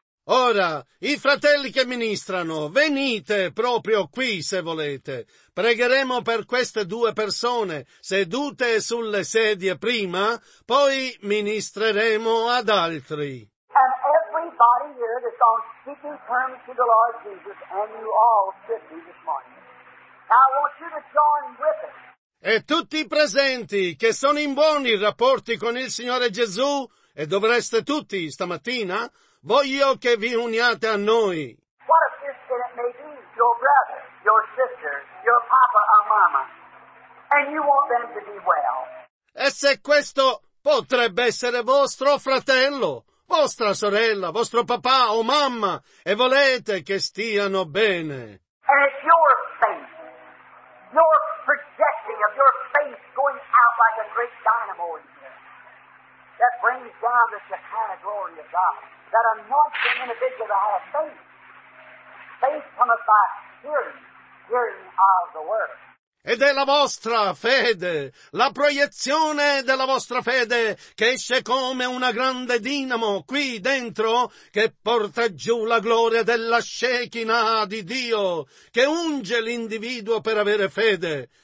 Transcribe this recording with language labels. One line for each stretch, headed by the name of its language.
Italian: Ora, i fratelli che ministrano, venite proprio qui se volete. Pregheremo per queste due persone, sedute sulle sedie prima, poi ministreremo ad altri.
English: And everybody here that's on speaking terms to the Lord Jesus, and you all sit here this morning. Now I want you to join with us.
Italian: E tutti i presenti che sono in buoni rapporti con il Signore Gesù, e dovreste tutti stamattina, voglio che vi uniate a noi.
English: What a sister it may be, your brother, your sister, your papa or mama, and you want them to be well.
Italian: E se questo potrebbe essere vostro fratello, vostra sorella, vostro papà o mamma, e volete che stiano bene.
English: And it's your faith, your projecting of your faith going out like a great dynamo in here, that brings down the Shekinah glory of God. That anointing individual that has faith. Faith comes by hearing, hearing of the word.
Italian: Ed è la vostra fede, la proiezione della vostra fede che esce come una grande dinamo qui dentro che porta giù la gloria della Shekinah di Dio, che unge l'individuo per avere fede.